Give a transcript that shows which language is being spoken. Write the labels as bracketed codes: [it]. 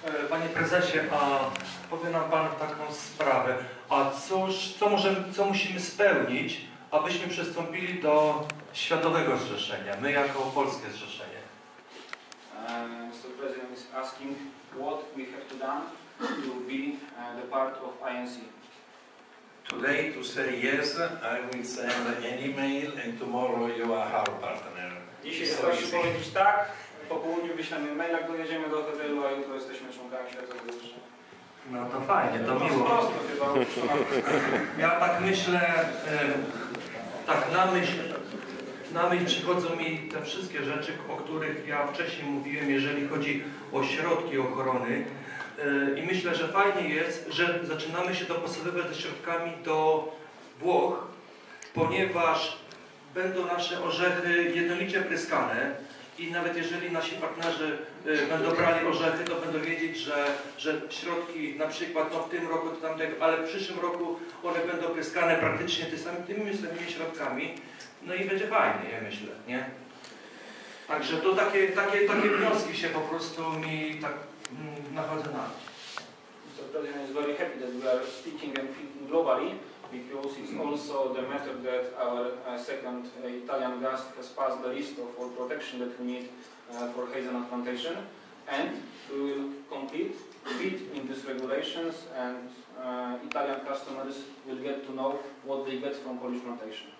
[pl] Panie prezesie, a powiem nam pan taką sprawę. A co musimy spełnić, abyśmy przystąpili do światowego zrzeszenia? My jako polskie zrzeszenie. [en] Mr. President is asking what we have to done to be the part of INC. Today to say yes, I will send an email and tomorrow you are our partner. [pl] Dzisiaj chcesz powiedzieć tak? Po południu wyślemy mail, jak dojedziemy do hotelu, a jutro jesteśmy członkami światowego zrzeszenia. No to fajnie, to miło. Prosto, chyba. Ja tak myślę, tak na myśl przychodzą mi te wszystkie rzeczy, o których ja wcześniej mówiłem, jeżeli chodzi o środki ochrony. I myślę, że fajnie jest, że zaczynamy się dopasowywać ze środkami do Włoch, ponieważ będą nasze orzechy jednolicie pryskane. I nawet jeżeli nasi partnerzy będą brali orzechy, to będą wiedzieć, że środki na przykład no w tym roku, to tamtego, ale w przyszłym roku one będą pryskane praktycznie tymi samymi środkami. No i będzie fajnie, ja myślę, nie? Także to takie wnioski się po prostu mi tak nachodzą na. [en] Mr. President is very happy that we are speaking and thinking globally, because it's also the method that our second Italian guest has passed the list of all protection that we need for hazelnut plantation, and we will complete fit in these regulations, and Italian customers will get to know what they get from Polish plantation.